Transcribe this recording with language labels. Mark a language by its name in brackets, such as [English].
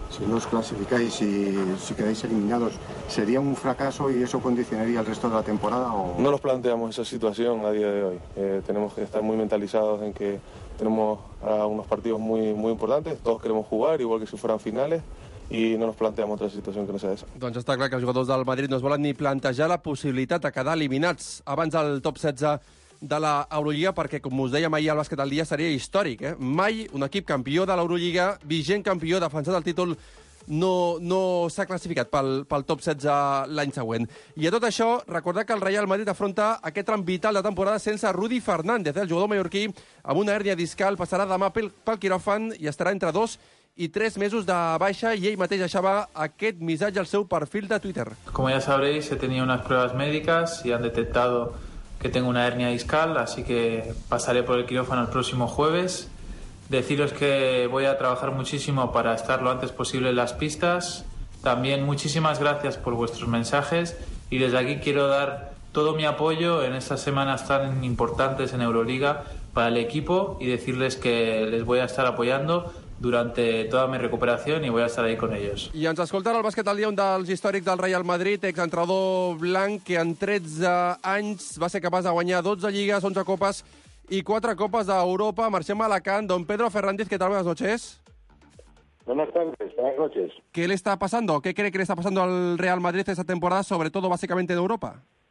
[Spanish] Si no os clasificáis y si quedáis eliminados, ¿sería un fracaso y eso condicionaría el resto de la temporada? ¿O? No nos planteamos esa situación a día de hoy. Tenemos que estar muy mentalizados en que tenemos unos partidos muy, muy importantes, todos queremos jugar, igual que si fueran finales, [Catalan] i no ens plantegem altra situació que no sigui aquesta. Doncs està clar que els jugadors del Madrid no es volen ni plantejar la possibilitat de quedar eliminats abans del top 16 de la Euroliga, perquè, com us dèiem ahir, el bàsquet del dia seria històric. Mai un equip campió de l'Euroliga, vigent campió, defensat el títol, no s'ha classificat pel top 16 l'any següent. I a tot això, recordar que el Real Madrid afronta aquest tram vital de temporada sense Rudy Fernández. El jugador mallorquí, amb una hèrnia discal, passarà demà pel quiròfan i estarà entre dos [Spanish] y tres meses [Catalan] de baixa, y ell mateix deixava aquest missatge al seu perfil de Twitter. [Spanish] Como ya sabréis, he tenido unas pruebas médicas y han detectado que tengo una hernia discal, así que pasaré por el quirófano el próximo jueves. Deciros que voy a trabajar muchísimo para estar lo antes posible en las pistas. También muchísimas gracias por vuestros mensajes, y desde aquí quiero dar todo mi apoyo en estas semanas tan importantes en Euroliga para el equipo, y decirles que les voy a estar apoyando durante toda mi recuperación y voy a estar ahí con ellos. [Catalan] I ens escoltarà el bàsquet al dia un dels històrics del Real Madrid, exentrenador blanc, que en 13 anys va ser capaç de guanyar 12 lligues, 11 copes i 4 copes d'Europa. Marxem a Alacant, don Pedro Fernández, què tal? [Spanish] Buenas noches. Buenas tardes, buenas noches. ¿Qué le está pasando? ¿Qué cree que le está pasando al Real Madrid esta temporada, sobre todo básicamente de Europa?